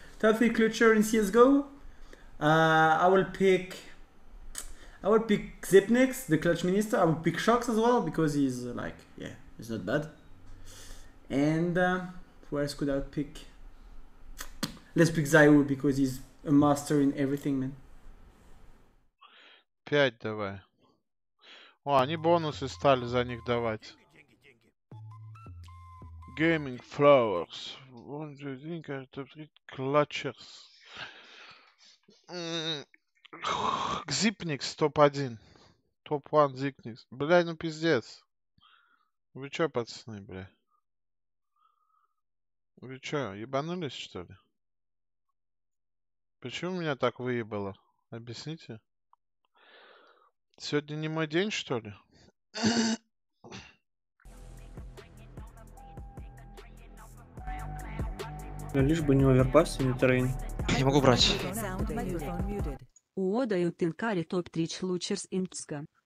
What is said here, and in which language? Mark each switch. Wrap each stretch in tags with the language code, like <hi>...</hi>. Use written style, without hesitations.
<en>Top three clutcher in CSGO? I will pick Zipnix, the clutch minister. I will pick shox as well because he's like, yeah, he's not bad. And who else could I pick? Let's pick Zaiwu because he's a master in everything, man.</en> <ru>Пять давай. О, они бонусы стали за них давать.</ru> <en>Gaming Flowers. What do you think are the three clutchers?</en> <ru>Zipnix топ-1. Топ-1 Zipnix. Бля, ну пиздец. Вы чё, пацаны, бля? Вы чё, ебанулись, что ли? Почему меня так выебало? Объясните. Сегодня не мой день, что ли? Лишь бы не оверпасс и не трейн. Не могу брать.</ru> <en>What do you think are top 3 clutchers in CSGO?</en>